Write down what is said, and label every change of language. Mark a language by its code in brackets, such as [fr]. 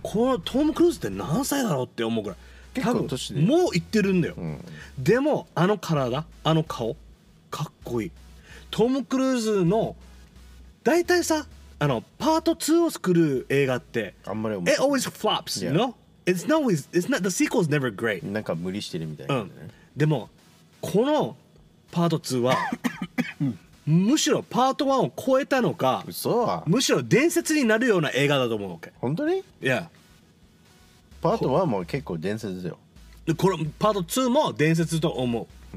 [ja] このトム・クルーズって何歳だろうって思うぐらい、結構年で多分もう行ってるんだよ、うん、でもあの体、あの顔かっこいい。トム・クルーズの大体さ、パート2を作る映画ってあんまり面白い。 [en] It always flops、yeah. you know? It's not always, it's not, the sequel is never great。 [ja] なんか無理してるみたいな、ね、うん、でもこのパート2はむしろパート1を超えたのか、嘘、むしろ伝説になるような映画だと思うわけ。本当に？ [en] Yeah。 [ja] パート1も結構伝説だよ。これパート2も伝説と思う、